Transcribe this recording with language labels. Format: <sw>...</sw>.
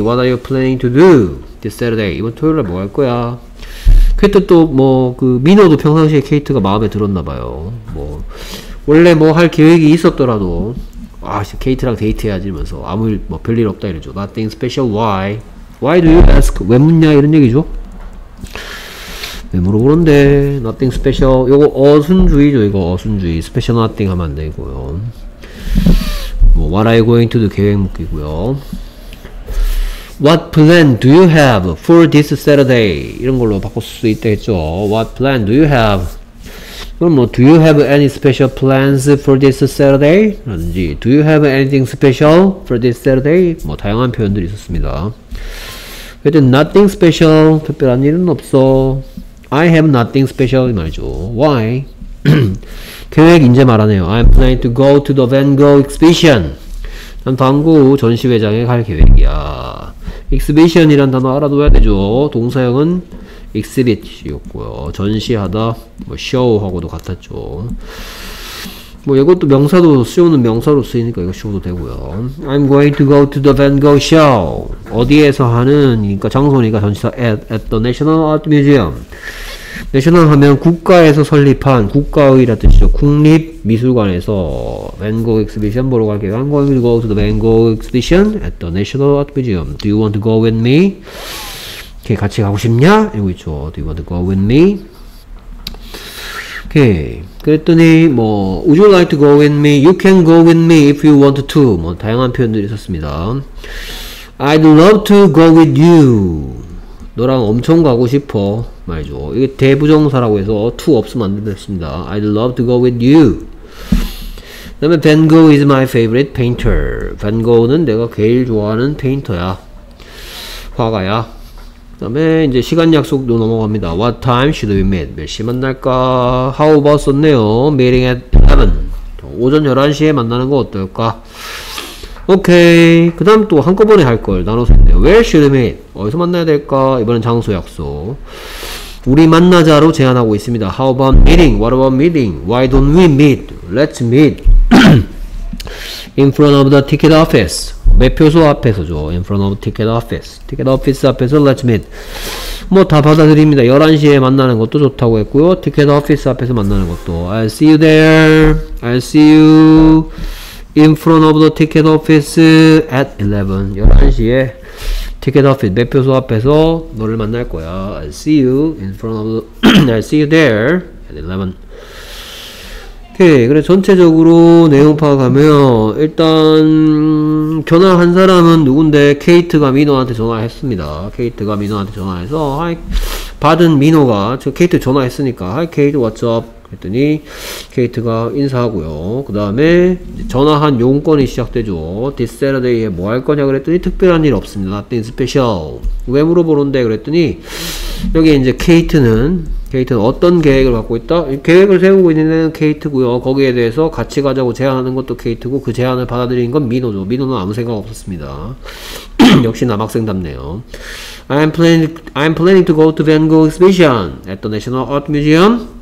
<en>What are you planning to do this Saturday?</en> <ko>이번 토요일날 뭐 할 거야? 그때 또 뭐 그 민호도 평상시에 케이트가 마음에 들었나봐요. 뭐 원래 뭐 할 계획이 있었더라도 아 케이트랑 데이트해야지 이러면서 아무 일 뭐 별일 없다 이러죠.</ko> <en>Nothing special. Why? Why do you ask?</en> <ko>왜 묻냐 이런 얘기죠. 왜 물어보는데.</ko> <en>Nothing special.</en> <ko>요거 어순주의죠. 이거 어순주의.</ko> <en>Special nothing</en> <ko>하면 안 되고요.</ko> <en>뭐 What are you going to do?</en> <ko>계획 묶이고요.</ko> <en>What plan do you have for this Saturday?</en> <ko>이런 걸로 바꿀 수 있겠죠.</ko> <en>What plan do you have? 그럼 뭐 Do you have any special plans for this Saturday? 라든지 Do you have anything special for this Saturday?</en> <ko>뭐 다양한 표현들이 있었습니다. 그때</ko> <en>nothing special.</en> <ko>특별한 일은 없어.</ko> <en>I have nothing special.</en> <ko>이 말이죠. Why? 계획 이제 말하네요.</ko> <en>I'm planning to go to the Van Gogh exhibition.</en> <ko>난 광고 전시회장에 갈 계획이야. exhibition이란 단어 알아둬야 되죠. 동사형은 exhibit이었고요. 전시하다, 뭐 show하고도 같았죠. 뭐 이것도 명사도 쓰이는 명사로 쓰이니까 이거 쓰셔도 되고요.</ko> <en>I'm going to go to the Van Gogh show.</en> <ko>어디에서 하는, 그러니까 장소니까 전시사 at the National Art Museum. National 하면 국가에서 설립한 국가의라 뜻이죠. 국립미술관에서</ko> <en>Van Gogh exhibition</en> <ko>보러 갈게요.</ko> <en>I'm going to go to the Van Gogh exhibition at the National Art Museum. Do you want to go with me?</en> <ko>이렇게 같이 가고 싶냐? 이러고 있죠.</ko> <en>Do you want to go with me? 오케이.</en> <ko>그랬더니 뭐</ko> <en>Would you like to go with me? You can go with me if you want to.</en> <ko>뭐 다양한 표현들이 있었습니다.</ko> <en>I'd love to go with you.</en> <ko>너랑 엄청 가고 싶어. 말이죠. 이게 대부정사라고 해서 to 없으면 안 됐습니다.</ko> <en>I'd love to go with you.</en> <ko>그 다음에</ko> <en>Van Gogh is my favorite painter.</en> <ko>Van Gogh는 내가 제일 좋아하는 페인터야. 화가야. 그 다음에 이제 시간 약속도 넘어갑니다.</ko> <en>What time should we meet?</en> <ko>몇 시 만날까?</ko> <en>How about 썼네요. Meeting at 11.</en> <ko>오전 11시에 만나는 거 어떨까? 오케이. 그 다음 또 한꺼번에 할 걸 나눠서 했네요.</ko> <en>Where should we meet?</en> <ko>어디서 만나야 될까? 이번엔 장소 약속. 우리 만나자로 제안하고 있습니다.</ko> <en>How about meeting? What about meeting? Why don't we meet? Let's meet. In front of the ticket office.</en> <ko>매표소 앞에서죠.</ko> <en>In front of ticket office.</en> <ko>Ticket office 앞에서</ko> <en>let's meet.</en> <ko>뭐 다 받아들입니다. 11시에 만나는 것도 좋다고 했고요.</ko> <en>Ticket office</en> <ko>앞에서 만나는 것도.</ko> <en>I'll see you there. I'll see you in front of the ticket office at 11.</en> <ko>11시에 ticket office 매표소 앞에서 너를 만날 거야.</ko> <en>I'll see you in front of the I'll see you there at 11.</en> <ko>오케이. 그래 전체적으로 내용 파악하면 일단 전화한 사람은 누군데 케이트가 민호한테 전화했습니다. 케이트가 민호한테 전화해서 받은 민호가 저 케이트 전화했으니까</ko> <en>Hi Kate, what's up?</en> <ko>그랬더니 케이트가 인사하고요. 그 다음에 전화한 용건이 시작되죠. This Saturday에 뭐 할 거냐 그랬더니 특별한 일 없습니다.</ko> <en>Nothing special.</en> <ko>왜 물어보는데 그랬더니 여기 이제 케이트는 어떤 계획을 갖고 있다? 계획을 세우고 있는 데는 케이트고요. 거기에 대해서 같이 가자고 제안하는 것도 케이트고 그 제안을 받아들인 건 민호죠. 민호는 아무 생각 없었습니다. 역시 남학생답네요.</ko> <en>I'm planning to go to Van Gogh exhibition at the National Art Museum.</en>